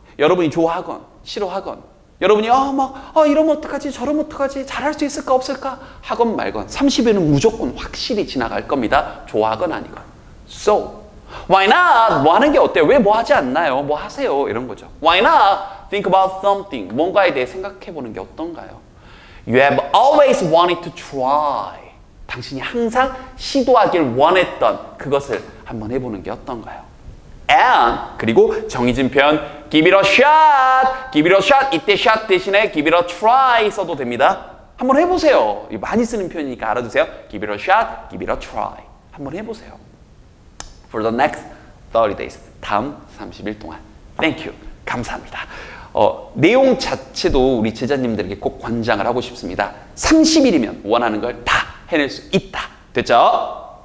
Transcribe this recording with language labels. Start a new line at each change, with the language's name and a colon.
Korean: 여러분이 좋아하건 싫어하건 여러분이 이러면 어떡하지? 저러면 어떡하지? 잘할 수 있을까 없을까? 하건 말건 30일은 무조건 확실히 지나갈 겁니다. 좋아하건 아니건.
English: So, why not?
Korean: 뭐 하는 게 어때요? 왜 뭐 하지 않나요? 뭐 하세요? 이런 거죠.
English: Why not? Think about something.
Korean: 뭔가에 대해 생각해 보는 게 어떤가요?
English: You have always wanted to try.
Korean: 당신이 항상 시도하길 원했던 그것을 한번 해보는 게 어떤가요? And, 그리고 정의진 표현,
English: give it a shot. Give it a shot.
Korean: 이때 shot 대신에
English: give it a try
Korean: 써도 됩니다. 한번 해보세요. 많이 쓰는 표현이니까 알아두세요.
English: Give it a shot. Give it a try.
Korean: 한번 해보세요.
English: For the next 30 days.
Korean: 다음 30일 동안.
English: Thank you.
Korean: 감사합니다. 내용 자체도 우리 제자님들에게 꼭 권장을 하고 싶습니다. 30일이면 원하는 걸 다 해낼 수 있다. 됐죠?